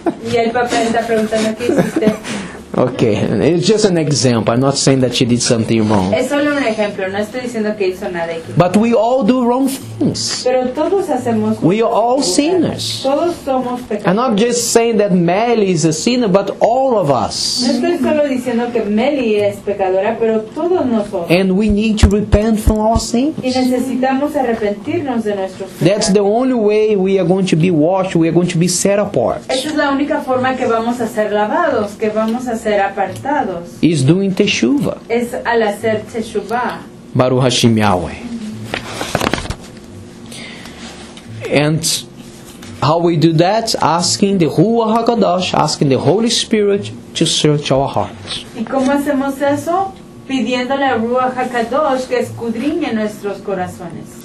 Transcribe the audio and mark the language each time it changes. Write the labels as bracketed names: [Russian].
[Spanish] Y el papá está preguntando, ¿qué hiciste? [English] Okay, it's just an example. I'm not saying that she did something wrong. [Spanish] Es solo un ejemplo. No estoy diciendo que hizo nada equivocado. [English] But we all do wrong things. [Spanish] Pero todos hacemos. [English] We are all sinners. [Spanish] Todos somos pecadores. [English] I'm not just saying that Melly is a sinner, but all of us. [Spanish] No estoy solo diciendo que Melly es pecadora, pero todos nosotros. [English] And we need to repent from our sins. [Spanish] Y necesitamos arrepentirnos de nuestros pecados. [English] That's the only way we are going to be washed. We are going to be set apart. [Spanish] Esa es la única forma que vamos a ser lavados, que vamos a ser apartados. [English] Is doing teshuva. [Spanish] Es al hacer teshuva. [Hebrew] Baruch Hashem Yahweh. [English] And how we do that? Asking the Ruach HaKadosh, asking the Holy Spirit to search our hearts. [Spanish] ¿Y cómo hacemos eso? Pidiéndole a Ruach HaKadosh que escudriñe nuestros corazones.